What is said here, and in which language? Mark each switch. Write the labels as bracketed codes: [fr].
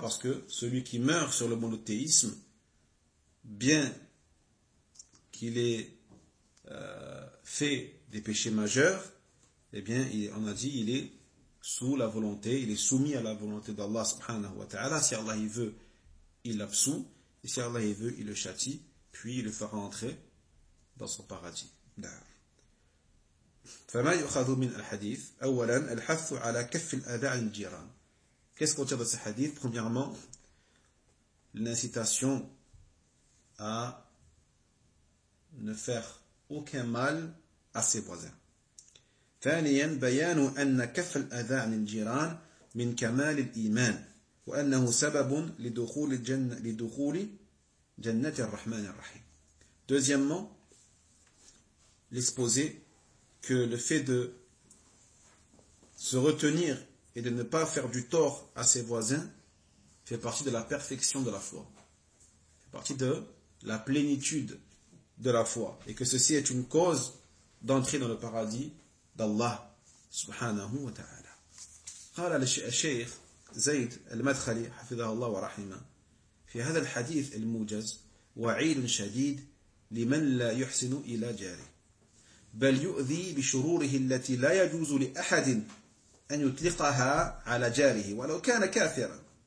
[fr] Parce que celui qui meurt sur le monothéisme, bien qu'il ait fait des péchés majeurs, eh bien, on a dit, il est sous la volonté, il est soumis à la volonté d'Allah subhanahu wa ta'ala. Si Allah il veut, il l'absout. Et si Allah il veut, il le châtie, puis il le fera entrer dans son paradis. [ar] فما يؤخذ من الحديث أولا الحث على كف الأذى عن الجيران. [fr] Qu'est-ce qu'on tire de ce hadith? Premièrement, l'incitation à ne faire aucun mal à ses voisins. [ar] ثانيا بيان أن كف الأذى عن الجيران من كمال الإيمان وأنه سبب لدخول الجنة لدخول جنة الرحمن الرحيم. [fr] Deuxièmement, l'exposer que le fait de se retenir et de ne pas faire du tort à ses voisins fait partie de la perfection de la foi, fait partie de la plénitude de la foi, et que ceci est une cause d'entrer dans le paradis d'Allah subhanahu wa ta'ala. [ar] قال الشيخ زيد المدخلي حفظه الله ورحمه في هذا الحديث الموجز وعيد شديد لمن لا يحسن الى جاره بل يؤذي بشروره التي لا يجوز لأحد أن يطلقها على جاره ولو كان كافرا.